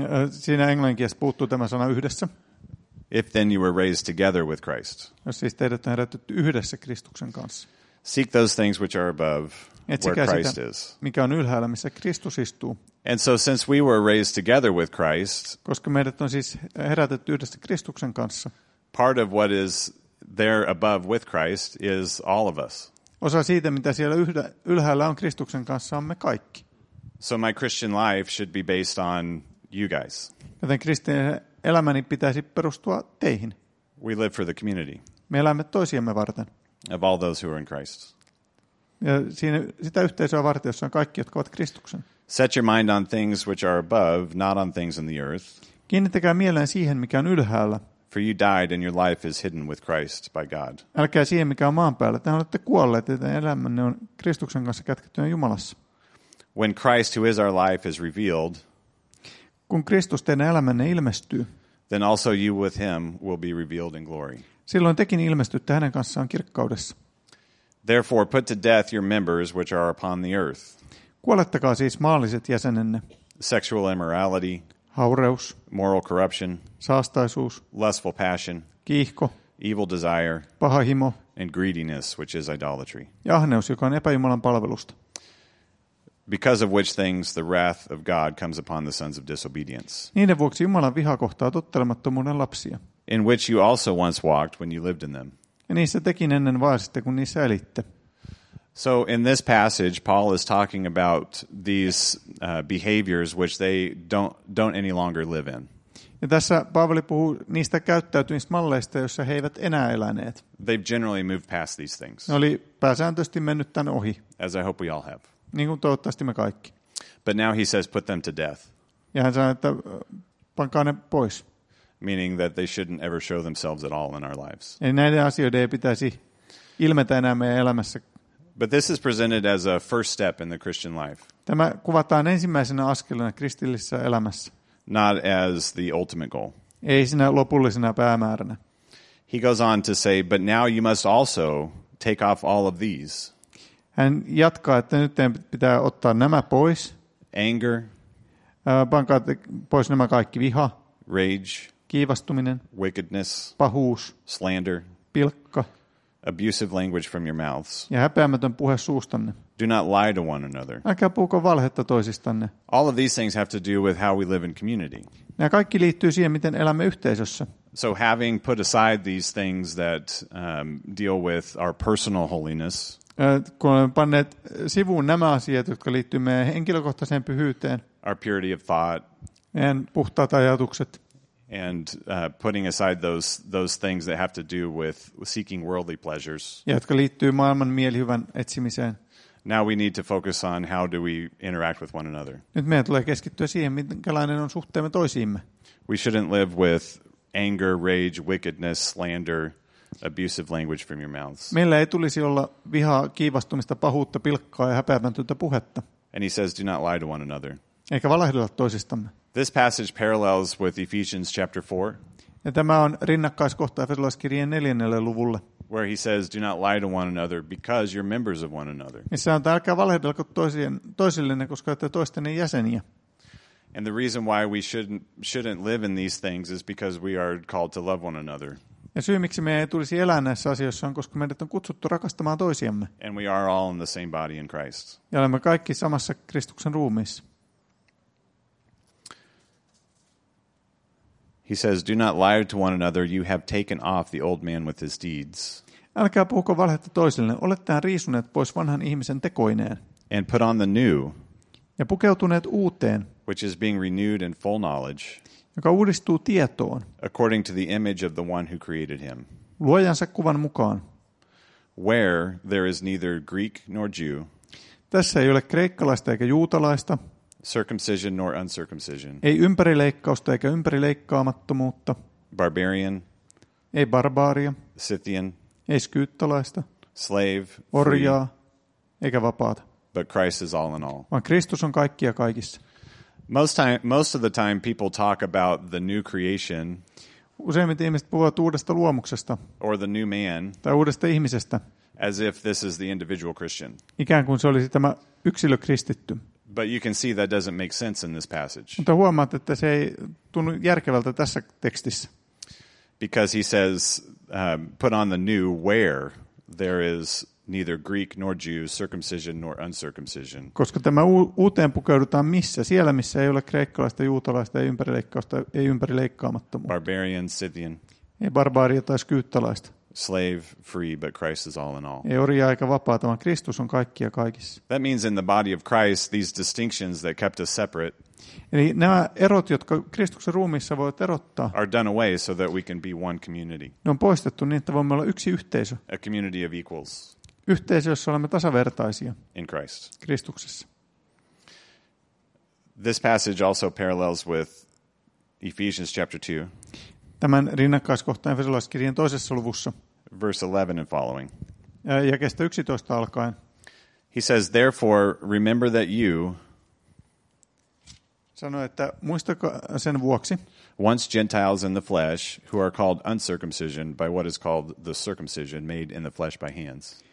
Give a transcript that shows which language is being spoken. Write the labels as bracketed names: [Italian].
[Finnish] Siinä englanninkielestä puuttuu tämä sana yhdessä. [English] If then you were raised together with Christ. [Finnish] Jos siis teidät on herätetty yhdessä Kristuksen kanssa. [English] Seek those things which are above, [Finnish] etsikää [English] where Christ [Finnish] sitä, [English] is. [Finnish] Mikä on ylhäällä, missä Kristus istuu. [English] And so since we were raised together with Christ, [Finnish] koska meidät on siis herätetty yhdessä Kristuksen kanssa. [English] Part of what is there above with Christ is all of us. [Finnish] Osa siitä, mitä siellä ylhäällä on Kristuksen kanssa, on me kaikki. [English] So my Christian life should be based on you guys. [Finnish] Joten kristillinen elämäni pitäisi perustua teihin. [English] We live for the community. [Finnish] Me elämme toisiamme varten. [English] Of all those who are in Christ. [Finnish] Ja siinä, sitä yhteisöä varten, jossa on kaikki, jotka ovat Kristuksen. [English] Set your mind on things which are above, not on things in the earth. [Finnish] Kiinnittäkää mieleen siihen, mikä on ylhäällä. [English] For you died and your life is hidden with Christ by God. [Finnish] Älkää siihen, mikä on maan päällä. Te olette kuolleet, että elämänne on Kristuksen kanssa kätkettynä Jumalassa. [English] When Christ, who is our life, is revealed. [Finnish] Kun Kristus teidän elämänne ilmestyy. [English] Then also you with him will be revealed in glory. [Finnish] Silloin tekin ilmestytte hänen kanssaan kirkkaudessa. [English] Therefore put to death your members which are upon the earth. [Finnish] Kuolettakaa siis maalliset jäsenenne. [English] Sexual immorality. [Finnish] Haureus. [English] Moral corruption. [Finnish] Saastaisuus. [English] Lustful passion. [Finnish] Kiihko. [English] Evil desire. [Finnish] Paha himo. [English] And greediness, which is idolatry. [Finnish] Ja ahneus, joka on epäjumalan palvelusta. [English] Because of which things the wrath of God comes upon the sons of disobedience. [Finnish] Niiden vuoksi Jumalan viha kohtaa tottelemattomuuden lapsia. [English] In which you also once walked when you lived in them. [Finnish] Ja niissä tekin ennen vaasitte, kun niissä elitte. [English] So in this passage, Paul is talking about these behaviors which they don't any longer live in. [Finnish] Ja tässä Paavali puhuu niistä käyttäytymismalleista, joissa he eivät enää eläneet. [English] They've generally moved past these things. [Finnish] Ne oli pääsääntöisesti mennyt tämän ohi. [English] As I hope we all have. [Finnish] Niin kuin toivottavasti me kaikki. [English] But now he says put them to death. [Finnish] Ja hän sanoo, että pankaa ne pois. [English] Meaning that they shouldn't ever show themselves at all in our lives. [Finnish] Eli näiden asioiden ei pitäisi ilmetä enää meidän elämässä. [English] But this is presented as a first step in the Christian life. [Finnish] Tämä kuvataan ensimmäisenä askelena kristillisessä elämässä. [English] Not as the ultimate goal. [Finnish] Ei siinä lopullisena päämääränä. [English] He goes on to say, but now you must also take off all of these. [Finnish] Hän jatkaa, että nyt pitää ottaa nämä pois. [English] Anger. [Finnish] Pankaa pois nämä kaikki. Viha. [English] Rage. [Finnish] Kiivastuminen. [English] Wickedness. [Finnish] Pahuus. [English] Slander. [Finnish] Pilkka. [English] Abusive language from your mouths. [Finnish] Ja häpeämätön puhe suustanne. [English] Do not lie to one another. [Finnish] Älkää puhuko valhetta toisistanne. [English] All of these things have to do with how we live in community. [Finnish] Nämä kaikki liittyy siihen, miten elämme yhteisössä. [English] So having put aside these things that deal with our personal holiness. [Finnish] Kun olemme panneet sivuun nämä asiat, jotka liittyy meidän henkilökohtaiseen pyhyyteen. [English] Our purity of thought. [Finnish] Meidän puhtaat ajatukset. [English] And putting aside those things that have to do with seeking worldly pleasures. [Finnish] Ja, jotka liittyy maailman mielihyvän etsimiseen. [English] Now we need to focus on how do we interact with one another. [Finnish] Nyt meidän tulee keskittyä siihen, minkälainen on suhteemme toisiimme. [English] We shouldn't live with anger, rage, wickedness, slander, abusive language from your mouths. [Finnish] Meillä ei tulisi olla vihaa, kiivastumista, pahuutta, pilkkaa ja häpeämätöntä puhetta. [English] And he says, do not lie to one another. [Finnish] Eikä valehdella toisistamme. [English] This passage parallels with Ephesians chapter 4. [Finnish] Ja tämä on rinnakkaiskohta Efesolaiskirjeen 4. luvulle. [English] Where he says, do not lie to one another because you're members of one another. [Finnish] Missä sanotaan, älkää valehdella toisillenne, koska olette toistenne jäseniä. [English] And the reason why we shouldn't live in these things is because we are called to love one another. [Finnish] Ja syy, miksi meidän ei tulisi elää näissä asioissa, on, koska meidät on kutsuttu rakastamaan toisiamme. [English] And we are all in the same body in Christ. [Finnish] Ja olemme kaikki samassa Kristuksen ruumiissa. [English] He says, do not lie to one another, you have taken off the old man with his deeds. [Finnish] Älkää puhuko valhetta toisille, olette riisuneet pois vanhan ihmisen tekoineen. [English] And put on the new. [Finnish] Ja pukeutuneet uuteen. [English] Which is being renewed in full knowledge. [Finnish] Joka uudistuu tietoon. [English] According to the image of the one who created him. [Finnish] Luojansa kuvan mukaan. [English] Where there is neither Greek nor Jew. [Finnish] Tässä ei ole kreikkalaista eikä juutalaista. [English] Circumcision nor uncircumcision. [Finnish] Ei ympärileikkausta eikä ympärileikkaamattomuutta. [English] Barbarian. [Finnish] Ei barbaaria. [English] Scythian. [Finnish] Ei skyyttalaista. [English] Slave. [Finnish] Orjaa. Eikä vapaata. [English] But Christ is all in all. [Finnish] Vaan Kristus on kaikkia kaikissa. [English] Most of the time people talk about the new creation. [Finnish] Useimmat ihmiset puhuvat uudesta luomuksesta. [English] Or the new man. [Finnish] Tai uudesta ihmisestä. [English] As if this is the individual Christian. [Finnish] Ikään kuin se olisi tämä yksilökristitty. [English] But you can see that doesn't make sense in this passage. [Finnish] Mutta huomaat, että se ei tunnu järkevältä tässä tekstissä. [English] Because he says, put on the new where there is neither Greek nor Jew, circumcision nor uncircumcision. [Finnish] Koska tämä uuteen pukeudutaan missä? Siellä, missä ei ole kreikkalaista, juutalaista, ei ympärileikkausta, ei ympärileikkaamattomuutta. [English] Barbarian, Scythian. [Finnish] Ei barbaaria tai skyyttalaista. [English] Slave, free, but Christ is all in all. [Finnish] Ei orjaa eikä vapaata, vaan Kristus on kaikkia kaikissa. [English] That means in the body of Christ, these distinctions that kept us separate. [Finnish] Eli nämä erot, jotka Kristuksen ruumiissa voivat erottaa. [English] Are done away so that we can be one community. [Finnish] Ne on poistettu niin, että voimme olla yksi yhteisö. [English] A community of equals. [Finnish] Yhteisö, jossa olemme tasavertaisia. [English] In Christ. [Finnish] Kristuksessa. [English] This passage also parallels with Ephesians chapter 2. [Finnish] Tämän rinnakkaiskohtaan Efesolaiskirjeen toisessa luvussa. [English] Verse 11 and following. [Finnish] Jakeesta 11 alkaen. [English] He says, therefore, remember that you. [Finnish] Sanoi, että muistakaa sen vuoksi. [English] Once Gentiles in the flesh, who are called uncircumcision by what is called the circumcision made in the flesh by hands.